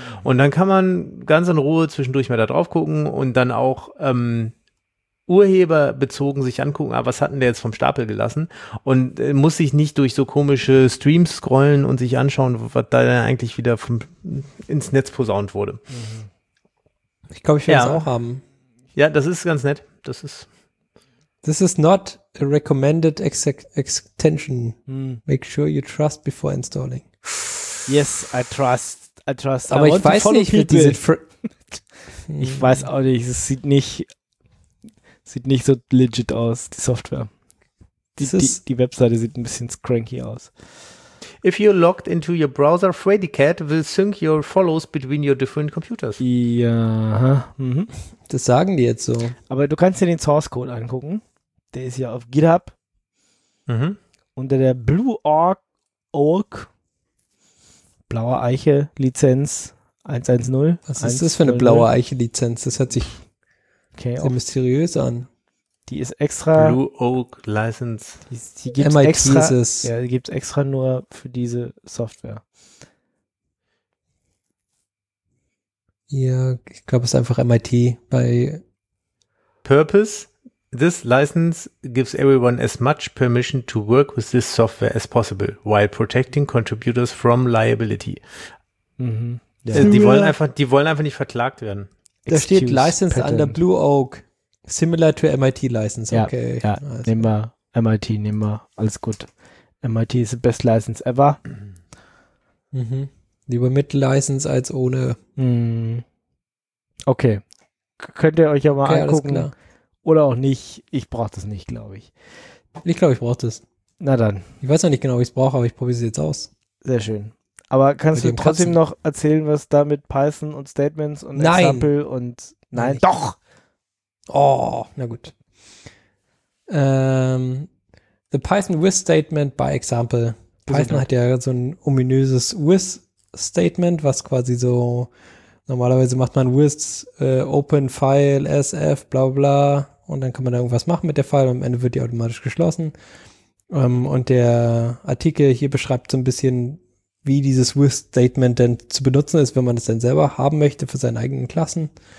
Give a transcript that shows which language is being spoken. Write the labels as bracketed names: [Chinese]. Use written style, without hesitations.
[German] Und dann kann man ganz in Ruhe zwischendurch mal da drauf gucken und dann auch urheberbezogen sich angucken, aber was hat denn der jetzt vom Stapel gelassen? Und muss sich nicht durch so komische Streams scrollen und sich anschauen, was da dann eigentlich wieder ins Netz posaunt wurde. Ich glaube, ich werde es auch haben. Ja, das ist ganz nett. Das ist. [English] This is not a recommended extension. Make sure you trust before installing. Yes, I trust. I trust. [German] Aber ich weiß nicht, wie diese. Ich weiß auch nicht. Es sieht nicht so legit aus, die Software. Die Webseite sieht ein bisschen cranky aus. [English] If you're logged into your browser, FreddyCat will sync your follows between your different computers. [German] Ja. Das sagen die jetzt so. Aber du kannst dir den Source Code angucken. Der ist ja auf GitHub. Mhm. Unter der Blue Org blaue Eiche Lizenz 110. Was ist das für eine blaue Eiche Lizenz? Das hört sich sehr mysteriös an. Die ist extra. Blue Oak License. Die gibt es extra. Ist es. Ja, die gibt es extra nur für diese Software. Ja, ich glaube, es ist einfach MIT bei [English] Purpose. This license gives everyone as much permission to work with this software as possible, while protecting contributors from liability. [German] Mhm. Ja. Die wollen einfach nicht verklagt werden. Da Excuse steht License patent. [English] Under Blue Oak, similar to MIT license. [German] Ja, okay. Ja, also. Nehmen wir MIT, nehmen wir. Alles gut. MIT ist [English] the best license ever. [German] Mhm. Lieber mit License als ohne. Mhm. Okay. Könnt ihr euch ja mal angucken. Alles klar. Oder auch nicht. Ich brauche das nicht, glaube ich. Ich glaube, ich brauche das. Na dann. Ich weiß noch nicht genau, ob ich es brauche, aber ich probiere es jetzt aus. Sehr schön. Aber kannst du trotzdem noch erzählen, was da mit Python und Statements und nein. Example und... Nein, doch! Oh, na gut. [English] The Python with Statement by Example. [German] Python hat ja so ein ominöses with Statement, was quasi so... Normalerweise macht man with open file sf bla bla und dann kann man da irgendwas machen mit der File und am Ende wird die automatisch geschlossen. Und der Artikel hier beschreibt so ein bisschen, wie dieses with-Statement denn zu benutzen ist, wenn man es dann selber haben möchte für seine eigenen Klassen.